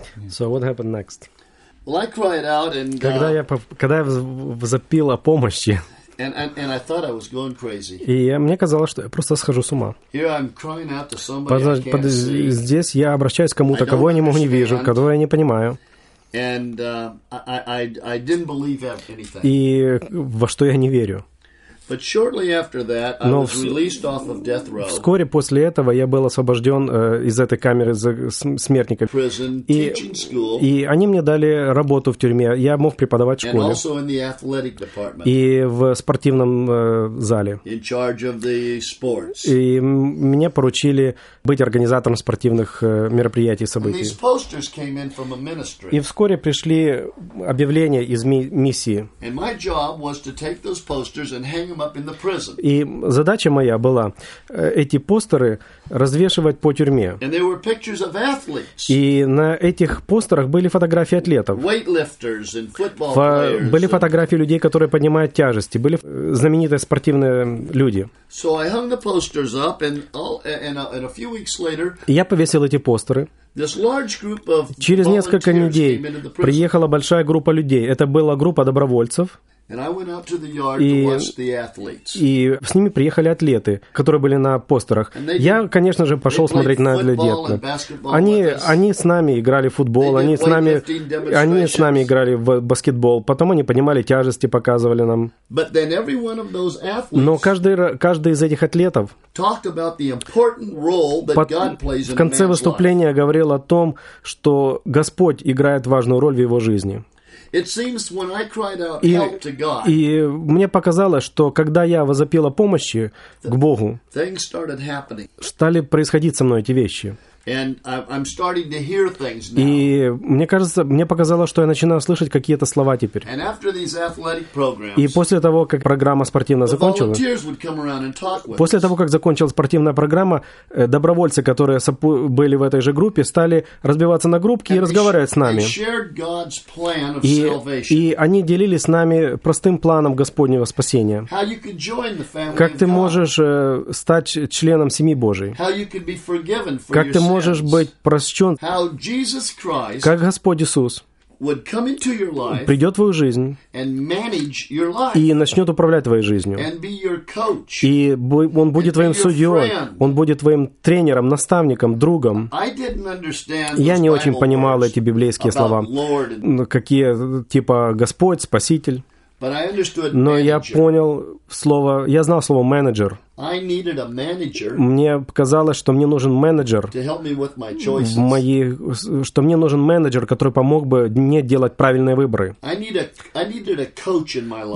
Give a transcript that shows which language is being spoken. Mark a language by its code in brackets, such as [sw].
[en] So what happened next? [ru] Когда я запил о помощи, И мне казалось, что я просто схожу с ума. Здесь я обращаюсь к кому-то, кого я не могу не вижу, кого я не понимаю. [en] And I didn't believe anything. [ru] И во что я не верю. [en] But shortly after that, I was released off of death row. [ru] Вскоре после этого я был освобожден из этой камеры за смертников. [en] Prison, teaching school. [ru] И они мне дали работу в тюрьме. Я мог преподавать в школе. [en] And also in the athletic department. [ru] И в спортивном зале. [en] In charge of the sports. [ru] И мне поручили быть организатором спортивных мероприятий и событий. [en] And these posters came in from a ministry. [ru] И вскоре пришли объявления из миссии. [en] And my job was to take those posters and hang them up in the prison. [ru] И задача моя была эти постеры развешивать по тюрьме. [en] And there were pictures of athletes. [ru] И на этих постерах были фотографии атлетов. [en] Weightlifters and football players. [ru] Были фотографии людей, которые поднимают тяжести. Были знаменитые спортивные люди. [en] So I hung the posters up and a few weeks later. [ru] Я повесил эти постеры. Через несколько недель приехала большая группа людей. Это была группа добровольцев. [en] And I went out to the yard to watch the athletes. [ru] И с ними приехали атлеты, которые были на постерах. Я, конечно же, пошел смотреть на атлетов. Они с нами играли в футбол, они с нами играли в баскетбол, потом они поднимали тяжести, показывали нам. [en] But then every one of those athletes. [ru] Но каждый из этих атлетов в конце выступления говорил о том, что Господь играет важную роль в его жизни. [en] It seems when I cried out help to God. [ru] И мне показалось, что когда я возопил о помощи к Богу, [en] things started happening. [ru] Стали происходить со мной эти вещи. [en] And I'm starting to hear things now. [ru] И мне кажется, мне показалось, что я начинаю слышать какие-то слова теперь. [en] And after these athletic programs, [ru] и после того, как программа спортивная закончилась, [en] the volunteers would come around and talk with [ru] после того, как закончилась спортивная программа, добровольцы, которые были в этой же группе, стали разбиваться на группки и разговаривать с нами. [en] They shared God's plan of salvation. [ru] И они делились с нами простым планом Господнего спасения. [en] How you could join the family of God. [ru] Как ты можешь стать членом семьи Божией. [en] How you could be forgiven for your sins. [ru] Можешь быть прощен, как Господь Иисус придет в твою жизнь и начнет управлять твоей жизнью. И Он будет твоим судьей, Он будет твоим тренером, наставником, другом. Я не очень понимал эти библейские слова, какие типа Господь, Спаситель. [en] But I understood manager. [ru] Но я понял слово, я знал слово менеджер. [en] I needed a manager. [ru] Мне казалось, что мне нужен менеджер. [en] To help me with my choices. [ru] Что мне нужен менеджер, который помог бы мне делать правильные выборы. [en] I needed a coach in my life.